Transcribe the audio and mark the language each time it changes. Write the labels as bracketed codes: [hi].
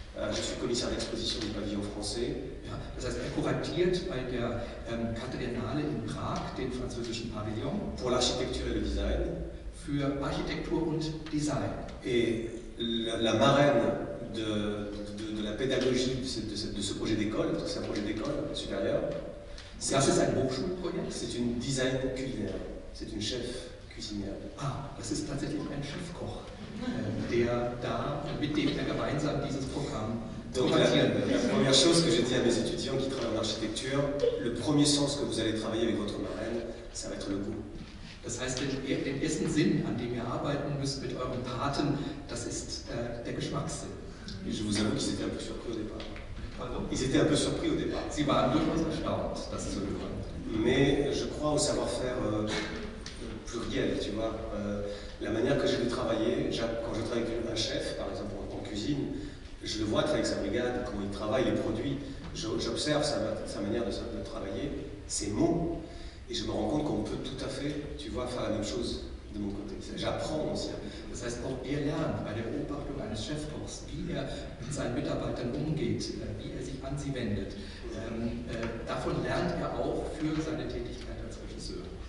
[fr] Je suis commissaire d'exposition du pavillon français. [de] Ja, das heißt, er kuratiert bei der Quadriennale in Prag den französischen Pavillon. [fr] Pour l'architecture et le design. [de] Für Architektur und Design. [fr] Et la marraine de la pédagogie de ce projet d'école, c'est un projet d'école supérieure. C'est un Hochschulprojekt. C'est une design culinaire. C'est une chef cuisinière. [de] Ah, das ist tatsächlich ein Chefkoch, der da mit dem er gemeinsam dieses Programm kuratieren wird. [fr] La première chose que je dis à mes étudiants qui travaillent en architecture, le premier sens que vous allez travailler avec votre marraine, ça va être le goût. [de] Das heißt, den ersten Sinn, an dem ihr arbeiten müsst mit eurem Paten, das ist der Geschmackssinn. [fr] Et je vous avoue qu'ils étaient un peu surpris au départ. Ils étaient un peu surpris au départ. [de] Sie waren durchaus erstaunt, das zu hören. [fr] Mais je crois au savoir-faire pluriel, tu vois. La manière que je vais travailler, quand je travaille avec un chef, par exemple en cuisine, je le vois avec sa brigade, comment il travaille les produits, j'observe sa manière de travailler, ses mots, et je me rends compte qu'on peut tout à fait, tu vois, faire la même chose de mon côté. J'apprends aussi. [de] Das heißt, auch er lernt bei der Beobachtung eines Chefkochs, wie er mit seinen Mitarbeitern umgeht, wie er sich an sie wendet. Davon lernt er auch für seine Tätigkeit als Regisseur.